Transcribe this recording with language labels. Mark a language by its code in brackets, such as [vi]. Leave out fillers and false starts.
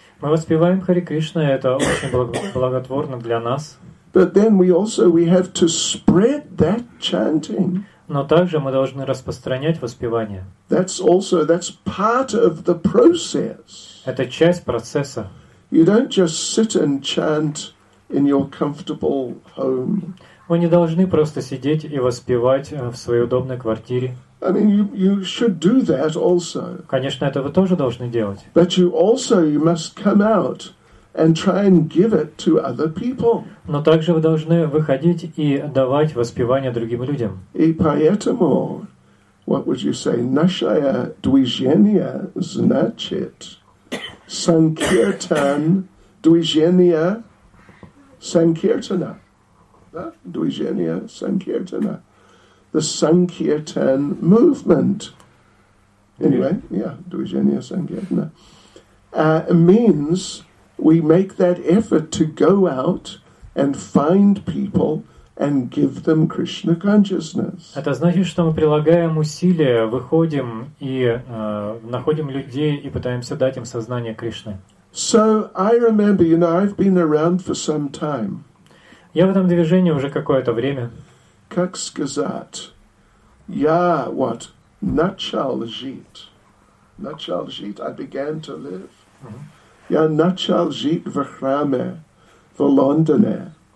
[ru] Мы воспеваем Хари Кришна, это очень благотворно для нас. [en] But then we have to spread that chanting. [ru] Но также мы должны распространять воспевание. [en] That's part of the process. [ru] Это часть процесса. [en] You don't just sit and chant in your comfortable home. [ru] Вы не должны просто сидеть и воспевать в своей удобной квартире. [en] I mean, you should do that also. [ru] Конечно, это вы тоже должны делать. [en] But you must come out and try and give it to other people. [ru] Но также вы должны выходить и давать воспевание другим людям. И поэтому, [en] what would you say, [ru] нашее движение значит санкиртан движение санкиртана, да? Движение санкиртана. [en] The Sankirtan movement, anyway, yeah, [ru] Dvijeniya Sankirtana, [en] means we make that effort to go out and find people and give them Krishna consciousness. [ru] Это значит, что мы прилагаем усилия, выходим и находим людей и пытаемся дать им сознание Кришны. [en] So I remember, you know, I've been around for some time. [ru] Я в этом движении уже какое-то время. Как сказать? Я вот начал жить. [en] I began to live. Mm-hmm. [ru] Я начал жить в храме в Лондоне.